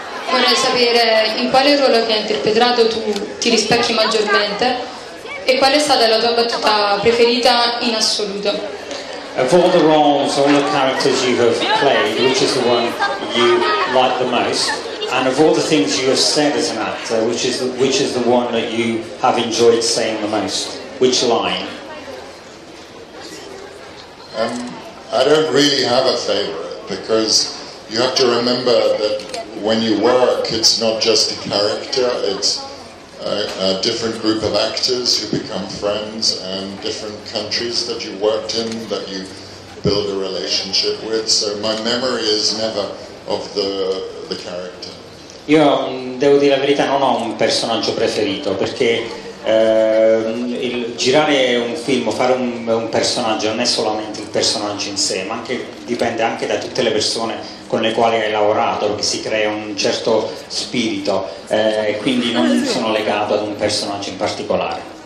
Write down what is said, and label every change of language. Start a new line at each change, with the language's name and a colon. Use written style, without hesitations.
Italian: Vorrei sapere in quale ruolo che hai interpretato tu ti rispecchi maggiormente e qual è stata la tua battuta preferita in assoluto.
English: Of all the roles, all the characters you have played, which is the one you like the most? And of all the things you have said as an actor, which is the one that you have enjoyed saying the most? Which line? I don't really have a favorite, because you have to remember that when you work, it's not just a character, it's a different group of actors who become friends and different countries that you worked in that you build a relationship with. So my memory is never of the character.
Italian: Io devo dire la verità, non ho un personaggio preferito, perché il girare un film, fare un personaggio, non è solamente il personaggio in sé, ma anche dipende anche da tutte le persone con le quali hai lavorato, perché si crea un certo spirito, e quindi non sono legato ad un personaggio in particolare.